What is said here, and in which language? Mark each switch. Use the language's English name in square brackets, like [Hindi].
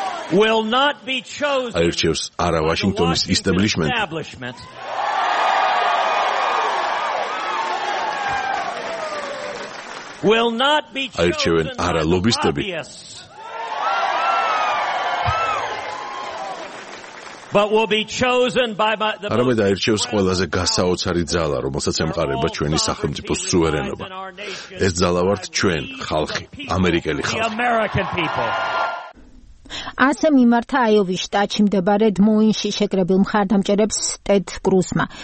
[English] Will not be chosen. [Georgian] აირჩევს არა ვაშინგტონის ისტაბლიშმენტი. [English] Will not be chosen. [Georgian] აირჩევენ არა ლობისტები. [English] But will be chosen by the [Georgian] არამედ აირჩევს ყველაზე გასაოცარი ძალა, რომელსაც ემყარება ჩვენი სახელმწიფო სუვერენობა. ეს ძალა ვართ ჩვენ, ხალხი, ამერიკელი ხალხი. ასე მიმართა აიოვის შტატში მდებარე მოინში შეკრებილ მხარდამჭერებს ტედ კრუზმა.